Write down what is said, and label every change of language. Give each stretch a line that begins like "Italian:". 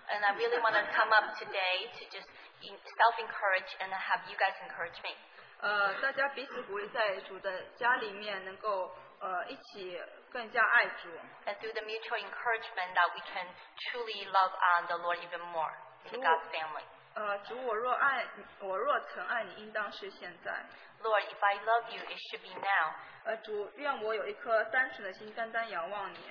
English: And I really want to come up today to just self-encourage and have you guys encourage me.
Chinese: 大家彼此鼓励，在主的家里面能够一起。更加爱主,
English: and through the mutual encouragement that we can truly love on the Lord even more in God's family.
Chinese: 主，我若曾爱你，应当是现在。
English: Lord, if I love you, it should be now.
Chinese: 主，愿我有一颗单纯的心，单单仰望你。